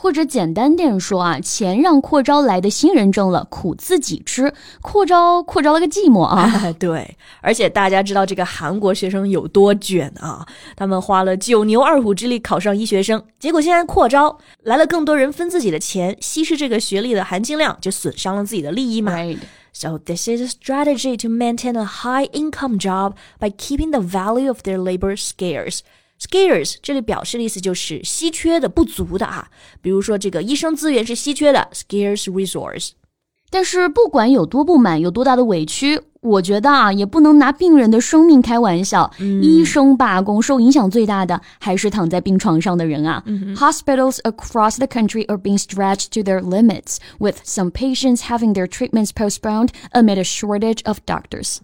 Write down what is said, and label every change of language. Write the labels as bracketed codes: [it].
[zh] 或者简单点说啊，钱让扩招来的新人挣了，苦自己吃，扩招了个寂寞啊。对，而且大家知道这个韩国学生有多卷啊，他们花了九牛二虎之力考上医学生，结果现在扩招来了更多人分自己的钱，稀释这个学历的含金量，就损伤了自己的利益嘛。 [en] Right. So this is a strategy to maintain a high income job by keeping the value of their labor scarce. [zh] Scarce 这里表示的意思就是稀缺的、不足的啊。比如说这个医生资源是稀缺的 ,scarce resource. 但是不管有多不满、有多大的委屈，我觉得啊，也不能拿病人的生命开玩笑。医生罢工受影响最大的还是躺在病床上的人啊。 [en] Hospitals across the country are being stretched to their limits, with some patients having their treatments postponed amid a shortage of doctors.